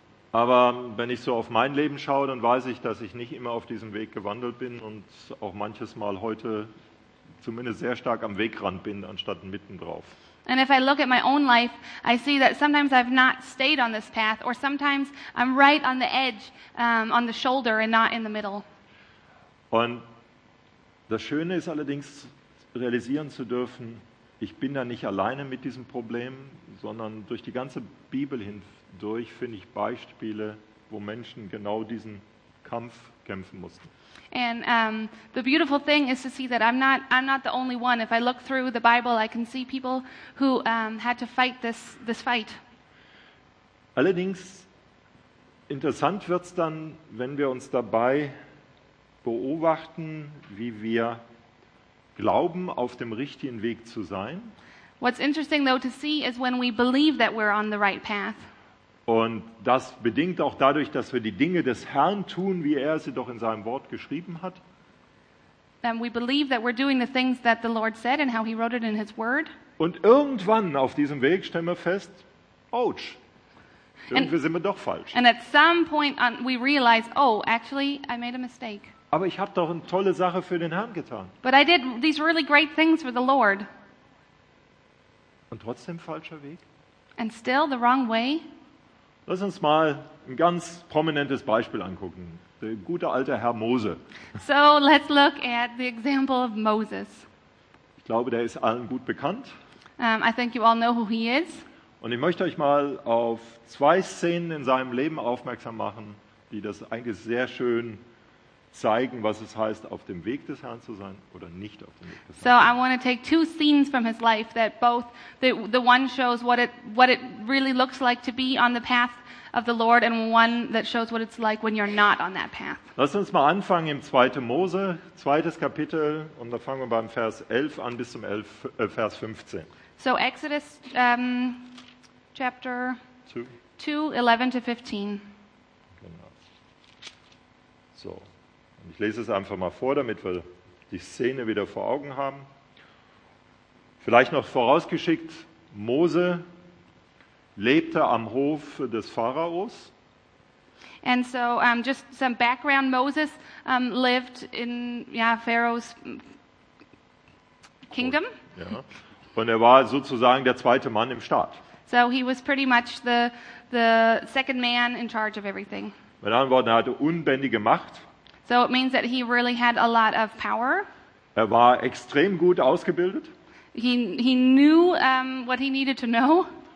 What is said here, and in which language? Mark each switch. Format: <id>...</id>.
<de>Aber wenn ich so auf mein Leben schaue, dann weiß ich, dass ich nicht immer auf diesem Weg gewandelt bin und auch manches Mal heute zumindest sehr stark am Wegrand bin, anstatt mitten drauf.</de> <en>And if I look at my own life, I see that sometimes I've not stayed on this path, or sometimes I'm right on the edge, on the shoulder and not in the middle.</en> <de>Und das Schöne ist allerdings, realisieren zu dürfen, ich bin da nicht alleine mit diesem Problem, sondern durch die ganze Bibel hindurch finde ich Beispiele, wo Menschen genau diesen Kampf kämpfen mussten.</de> <en>And the beautiful thing is to see that I'm not the only one. If I look through the Bible, I can see people who had to fight this fight.</en> <de>Allerdings interessant wird's dann, wenn wir uns dabei beobachten, wie wir glauben, auf dem richtigen Weg zu sein.</de> <en>What's interesting though to see is when we believe that we're on the right path.</en> <de>Und das bedingt auch dadurch, dass wir die Dinge des Herrn tun, wie er sie doch in seinem Wort geschrieben hat.</de> <en>And we believe that we're doing the things that the Lord said and how he wrote it in his word.</en> <de>Und irgendwann auf diesem Weg stellen wir fest, ouch, irgendwie sind wir doch falsch.</de> <en>And at some point we realize, oh, actually I made a mistake.</en> <de>Aber ich habe doch eine tolle Sache für den Herrn getan.</de> <en>But I did these really great things for the Lord.</en> <de>Und trotzdem falscher Weg?</de> <en>And still the wrong way?</en> <de>Lass uns mal ein ganz prominentes Beispiel angucken. Der gute alte Herr Mose.</de> <en>So let's look at the example of Moses.</en> <de>Ich glaube, der ist allen gut bekannt.</de> <en>I think you all know who he is.</en> <de>Und ich möchte euch mal auf zwei Szenen in seinem Leben aufmerksam machen, die das eigentlich sehr schön zeigen, was es heißt, auf dem Weg des Herrn zu sein oder nicht auf dem Weg des Herrn.</de> <en>So I want to take two scenes from his life that both the one shows what it really looks like to be on the path of the Lord and one that shows what it's like when you're not on that path.</en> <de>Lass uns mal anfangen im 2. Mose, 2. Kapitel, und da fangen wir beim Vers 11 an bis zum Vers 15.</de> <en>So Exodus chapter 2, 11 to 15.</en> <de>Genau. So. Ich lese es einfach mal vor, damit wir die Szene wieder vor Augen haben. Vielleicht noch vorausgeschickt, Mose lebte am Hof des Pharaos.</de> <en>And so just some background, Moses lived in Pharaos kingdom.</en> <de>Ja. Und er war sozusagen der zweite Mann im Staat.</de> <en>So he was pretty much the second man in charge of everything.</en> <de>Mit anderen Worten, er hatte unbändige Macht.</de> <en>So it means that he really had a lot of power.</en> <de>Er war extrem gut ausgebildet.</de> <en>He knew what he needed to know.</en>